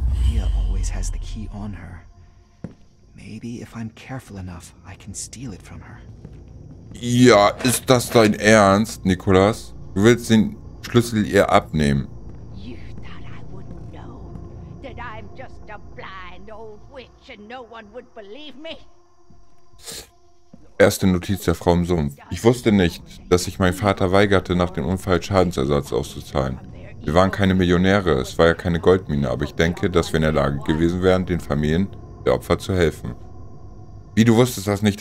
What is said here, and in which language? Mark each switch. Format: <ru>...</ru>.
<en>Mia always has the key on her. Maybe if I'm careful enough, I can steal it from her.</en> <de>Ja, ist das dein Ernst, Nicholas? Du willst den Schlüssel ihr abnehmen.</de> <en>You thought I wouldn't know that I'm just a blind old witch and no one would believe me.</en> <de>Erste Notiz der Frau im Sumpf. Ich wusste nicht, dass sich mein Vater weigerte, nach dem Unfall Schadensersatz auszuzahlen. Wir waren keine Millionäre, es war ja keine Goldmine, aber ich denke, dass wir in der Lage gewesen wären, den Familien der Opfer zu helfen. Wie, du wusstest das nicht?</de>